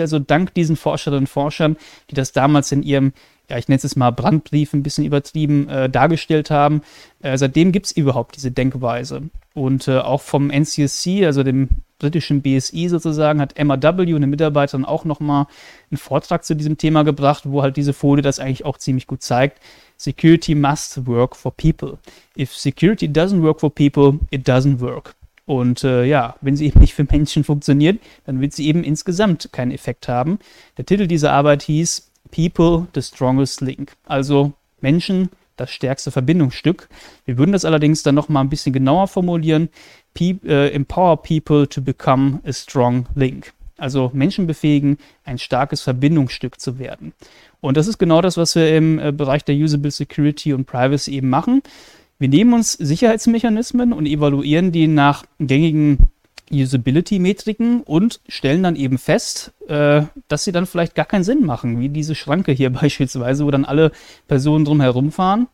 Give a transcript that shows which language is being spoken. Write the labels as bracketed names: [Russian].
[German] Also dank diesen Forscherinnen und Forschern, die das damals in ihrem, ja, ich nenne es mal Brandbrief, ein bisschen übertrieben, dargestellt haben. Seitdem gibt es überhaupt diese Denkweise. Und auch vom NCSC, also dem britischen BSI sozusagen, hat Emma W., eine Mitarbeiterin, auch nochmal einen Vortrag zu diesem Thema gebracht, wo halt diese Folie das eigentlich auch ziemlich gut zeigt. [English] Security must work for people. If security doesn't work for people, it doesn't work. [German] Und ja, wenn sie eben nicht für Menschen funktioniert, dann wird sie eben insgesamt keinen Effekt haben. Der Titel dieser Arbeit hieß [English] People, the strongest link. [German] Also Menschen, das stärkste Verbindungsstück. Wir würden das allerdings dann nochmal ein bisschen genauer formulieren. [English] Empower people to become a strong link. [German] Also Menschen befähigen, ein starkes Verbindungsstück zu werden. Und das ist genau das, was wir im Bereich der Usable Security und Privacy eben machen. Wir nehmen uns Sicherheitsmechanismen und evaluieren die nach gängigen Usability-Metriken und stellen dann eben fest, dass sie dann vielleicht gar keinen Sinn machen, wie diese Schranke hier beispielsweise, wo dann alle Personen drum herum fahren.